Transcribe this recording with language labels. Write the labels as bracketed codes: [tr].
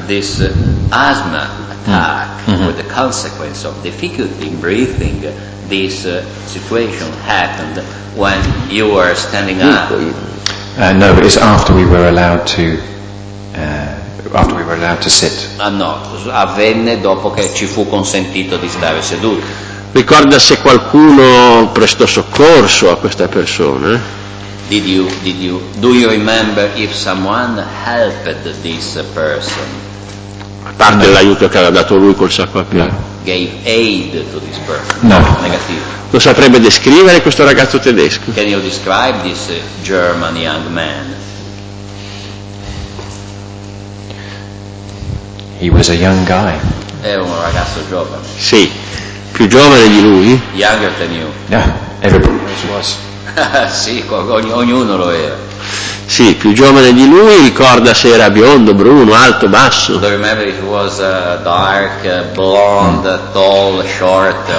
[en] This asthma attack with the consequence of difficulty in breathing, this situation happened when you were standing up. No, it's after we were allowed to sit. [it] No, avvenne dopo che ci fu consentito di stare seduti. Ricorda se qualcuno prestò soccorso a questa persona? [en] Do you remember if someone helped this person? [it] A parte l'aiuto che aveva dato lui col sacco a pelo. [en] Gave aid to this person. No. [it] Negativo. Lo saprebbe descrivere questo ragazzo tedesco? [en] Can you describe this German young man? He was a young guy. [it] È un ragazzo giovane. Sì. Più giovane di lui? [en] Younger than you. Yeah, everybody was. [it] Sì, ognuno lo era. Sì, più giovane di lui, ricorda se era biondo, bruno, alto, basso. [en] Do you remember if he was dark, blonde, tall, short?